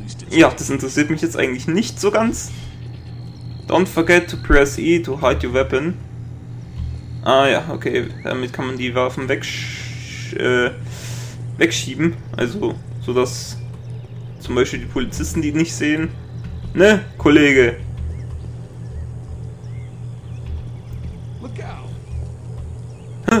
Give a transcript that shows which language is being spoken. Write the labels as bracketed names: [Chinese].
[German] Ja, das interessiert mich jetzt eigentlich nicht so ganz. [English] Don't forget to press E to hide your weapon. [German] Ah ja, okay, damit kann man die Waffen wegschieben. Also, sodass zum Beispiel die Polizisten die nicht sehen. Ne, Kollege? [English] Look out.